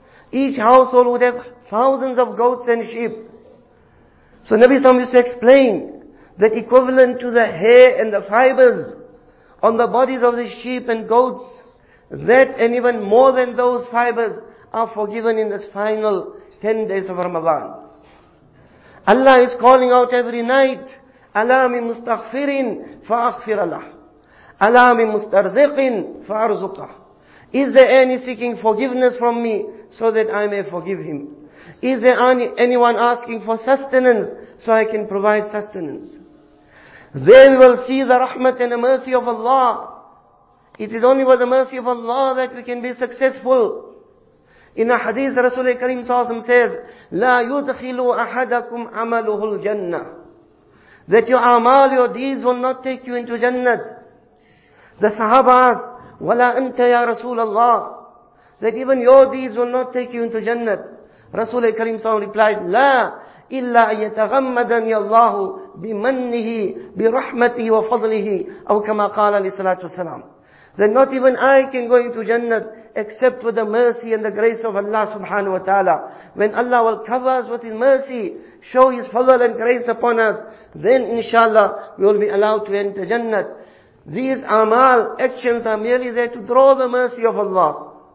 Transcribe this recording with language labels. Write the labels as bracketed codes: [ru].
[en] Each household would have thousands of goats and sheep. So Nabi Sam used to explain that equivalent to the hair and the fibers on the bodies of the sheep and goats, that and even more than those fibers are forgiven in this final 10 days of Ramadan. Allah is calling out every night, [ar] أَلَا مِن مُسْتَغْفِرٍ فَأَغْفِرَ لَهُ أَلَا مِن مُسْتَرْزِقٍ فَأَرْزُقَهُ. [en] Is there any seeking forgiveness from me so that I may forgive him? Is there anyone asking for sustenance so I can provide sustenance? Then we will see the rahmat and the mercy of Allah. It is only with the mercy of Allah that we can be successful. In a hadith, Rasul Kareem Sallallahu Alaihi Wasallam says, [ar] لَا يُدْخِلُ أَحَدَكُمْ عَمَلُهُ الْجَنَّةِ. [en] That your amal, your deeds will not take you into Jannat. The Sahaba asked, [ar] وَلَا أَنْتَ يَا رَسُولَ اللَّهِ. [en] That even your deeds will not take you into Jannat. Rasul Kareem Sallallahu Alaihi Wasallam replied, [ar] لَا إِلَّا يَتَغَمَّدَنِي اللَّهُ بِمَنِّهِ بِرَحْمَتِهِ وَفَضْلِهِ. أو كَمَا قَالَ عَلَيْهِ الصَّلَاةُ وَالسَّلَامُ. [en] That not even I can go into Jannat except with the mercy and the grace of Allah subhanahu wa ta'ala. When Allah will cover us with His mercy, show His favor and grace upon us, then inshallah we will be allowed to enter Jannat. These amal actions are merely there to draw the mercy of Allah.